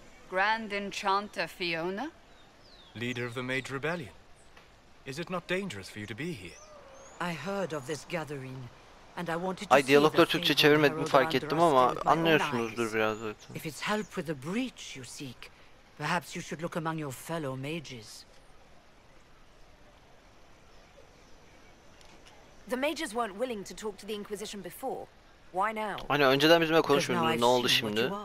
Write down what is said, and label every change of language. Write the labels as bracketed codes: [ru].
[en] Grand Enchanter Fiona? Leader of the Mage Rebellion. Is it not dangerous for you to be here? I heard of this gathering and I wanted to. [tr] Ay diyalogları Türkçe çevirmedim fark ettim ama anlıyorsunuzdur biraz zaten. [en] If it's help with the breach you seek, perhaps you should look among your fellow mages. The mages weren't willing to talk to the Inquisition before. Why now? [tr] Hani önceden bizimle konuşmuyordun. Ne oldu şimdi?